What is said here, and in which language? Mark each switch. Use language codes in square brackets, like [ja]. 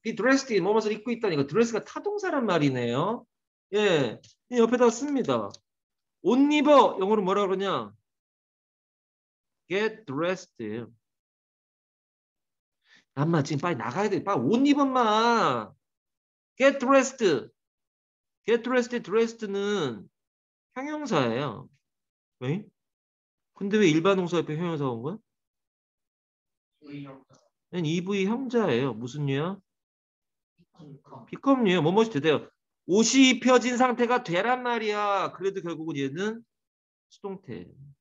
[en] Be dressed in, [ko] 뭐뭐를 입고 있다니까. Dress가 타동사란 말이네요. 예. 옆에다 씁니다. 옷 입어. 영어로 뭐라 그러냐? [en] Get dressed in. [ko] 암마, 지금 빨리 나가야 돼. 빨리 옷 입어마. [en] Get dressed. Get dressed, dressed는 [ko] 형용사예요. 왜? 근데 왜 일반동사 옆에 형용사 온 거야? 이브이 형자예요. 무슨 류야? 피컴 류예요. 뭐뭐시 되대요. 옷이 입혀진 상태가 되란 말이야. 그래도 결국은 얘는 수동태예요.